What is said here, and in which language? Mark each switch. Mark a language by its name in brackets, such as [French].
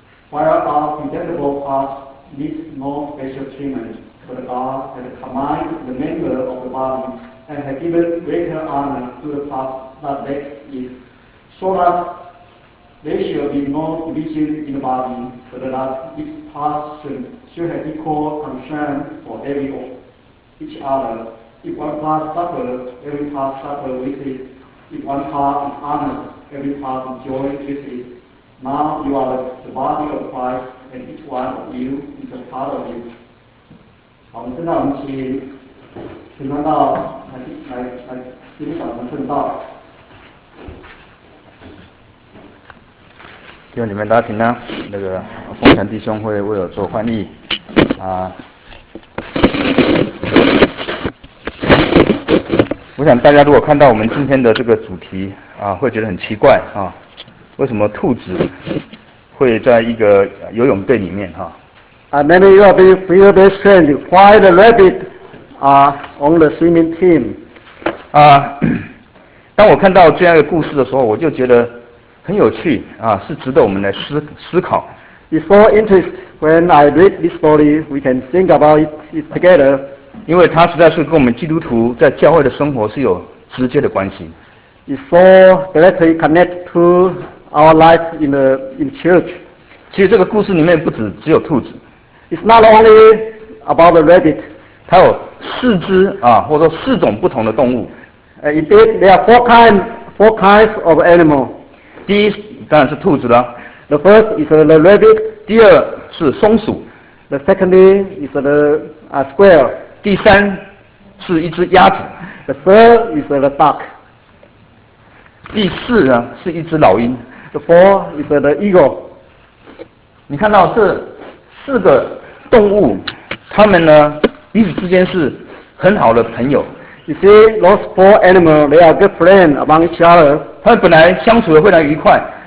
[English] While our presentable part needs no special treatment, for the God has combined the member of the body and has given greater honor to the part that lacks it, so that there shall be no division in the body, but that each part should have equal concern for every of each other. If one part suffers, every part suffers with it. If one part is honored, every part enjoys with it. Now you are the body of Christ, and each one of you is a part of it. [Chinese] 好，我们现在我们请陈传道来接着讲我们圣道。弟兄姐妹，大家平安。那个奉传弟兄会为我做翻译啊。我想大家如果看到我们今天的这个主题啊，会觉得很奇怪啊，为什么兔子会在一个游泳队里面哈？ [English] Maybe you will be feel very strange. Why the rabbit are on the swimming team? [Chinese] 啊，当我看到这样一个故事的时候，我就觉得。很有趣啊，是值得我们来思考。 [English] It's so interesting when I read this story. We can think about it together. [Chinese] 因为它实在是跟我们基督徒在教会的生活是有直接的关系。 [English] It's so directly connected to our life in church. [Chinese] 其实这个故事里面不只有兔子。 [English] It's not only about the rabbit. [Chinese] 它有四只啊，或者说四种不同的动物。 [English] Indeed, there are four kinds of animal. [Chinese] 第一当然是兔子了。 [English] The first is the rabbit. [Chinese] 第二是松鼠。 [English] The second is the squirrel. [Chinese] 第三是一只鸭子。 [English] The third is the duck. [Chinese] 第四呢是一只老鹰。 [English] The fourth is the eagle. [Chinese] 你看到这四个动物，它们呢彼此之间是很好的朋友。 [English] You see, those four animals, they are good friends among each other. [Chinese] 他们本来相处得非常愉快。